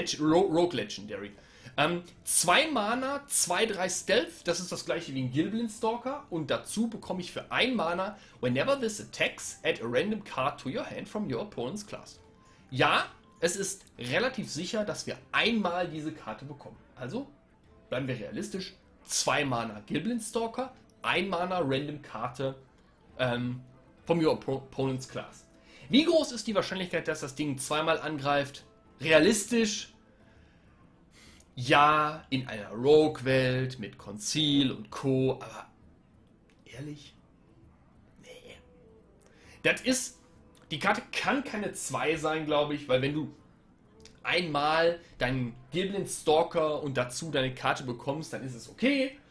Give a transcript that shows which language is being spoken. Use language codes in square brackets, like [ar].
[de] Rogue Legendary. 2 Mana, 2-3 Stealth, das ist das gleiche wie ein Gilblin Stalker. Und dazu bekomme ich für 1 Mana, [en] whenever this attacks, add a random card to your hand from your opponent's class. [de] Ja, es ist relativ sicher, dass wir einmal diese Karte bekommen. Also, bleiben wir realistisch. 2 Mana Gilblin Stalker, 1 Mana random Karte [en] from your opponent's class. [de] Wie groß ist die Wahrscheinlichkeit, dass das Ding zweimal angreift? Realistisch? Ja, in einer Rogue-Welt mit Conceal und Co., aber ehrlich? Nee. Das ist, die Karte kann keine 2 sein, glaube ich, weil wenn du einmal deinen Gilblin Stalker und dazu deine Karte bekommst, dann ist es okay.